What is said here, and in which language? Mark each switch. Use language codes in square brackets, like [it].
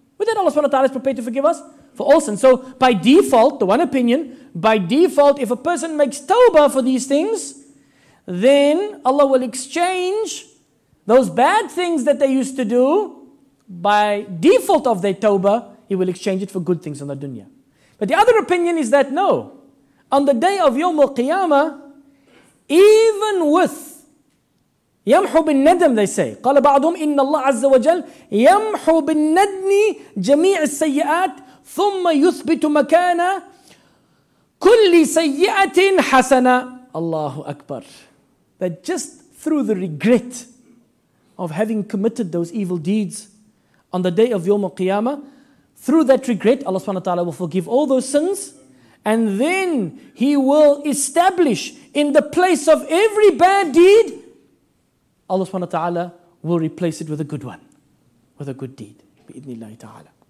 [en] With that, Allah subhanahu wa ta'ala is prepared to forgive us for all sins. So by default, the one opinion, by default, if a person makes tawbah for these things, then Allah will exchange those bad things that they used to do by default of their tawbah, He will exchange it for good things in the dunya. But the other opinion is that no, on the day of Yawm al-Qiyamah, even with [ar] يَمْحُ بِالنَّدَمِ, [en] they say, [ar] قَالَ بَعْضُهُمْ إِنَّ اللَّهَ عَزَّ وَجَلْ يَمْحُ بِالنَّدْمِ جَمِيعِ السَّيِّئَاتِ ثُمَّ يُثْبِتُ مَكَانَ كُلِّ سَيِّئَةٍ حَسَنًا. Allahu Akbar. [en] That just through the regret of having committed those evil deeds on the day of Yawm al-Qiyamah, through that regret, Allah subhanahu wa ta'ala will forgive all those sins. And then He will establish in the place of every bad deed, Allah subhanahu wa ta'ala will replace it with a good one, with a good deed, bi-idhnillahi ta'ala.